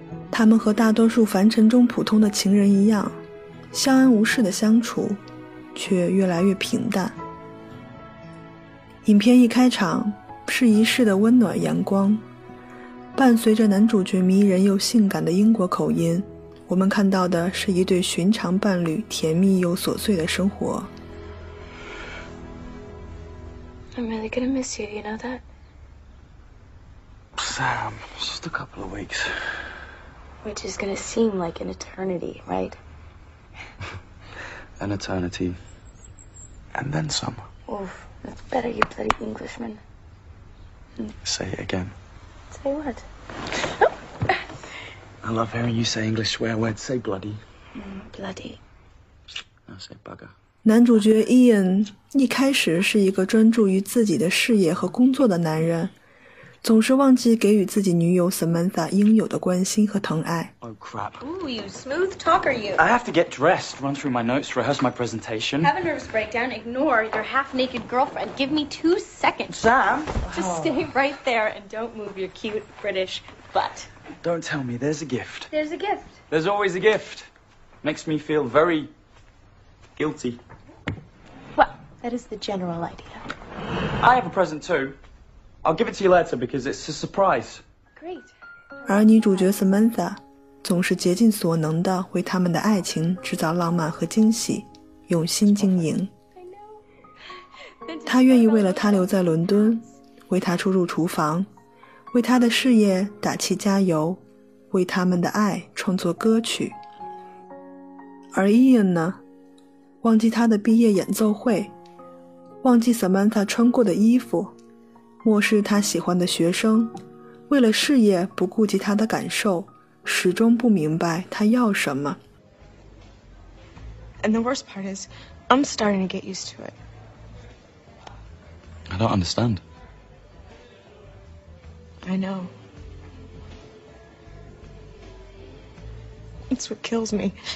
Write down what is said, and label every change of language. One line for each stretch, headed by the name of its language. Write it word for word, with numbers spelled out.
Chinese: 他们和大多数凡尘中普通的情人一样，相安无事的相处，却越来越平淡。影片一开场是一世的温暖阳光，伴随着男主角迷人又性感的英国口音，我们看到的是一对寻常伴侣甜蜜又琐碎的生活。
English: I'm really gonna miss you, you know that? Sam, it's just a couple of weeks. Which is gonna seem like an eternity, right? An eternity. And then some. Oof, that's better, you bloody Englishman. Say it again. Say what? I love hearing you say English swear words. Say bloody. Mm, bloody. No, say bugger.
Chinese: 男主角 Ian 一开始是一个专注于自己的事业和工作的男人，总是忘记给予自己女友 Samantha 应有的关心和疼爱。
English: Oh crap. Ooh, you smooth talker, you. I have to get dressed, run through my notes, rehearse my presentation. Have a nervous breakdown, ignore your half-naked girlfriend. Give me two seconds. Sam! Just oh. stay right there and don't move your cute British butt. Don't tell me, there's a gift. There's a gift. There's always a gift. Makes me feel very guilty. Well, that is the general idea. I have a present too. I'll give it to you later because it's a surprise. Great.
Chinese: 而女主角 Samantha 总是竭尽所能地为他们的爱情制造浪漫和惊喜，用心经营。她愿意为了他留在伦敦，为他出入厨房，为他的事业打气加油，为他们的爱创作歌曲。而 Ian 呢，忘记他的毕业演奏会，忘记 Samantha 穿过的衣服，漠视他喜欢的学生，为了事业不顾及他的感受，始终不明白他要什么。
English: And the worst part is, I'm starting to get used to it. I don't understand. I know. It's what kills me.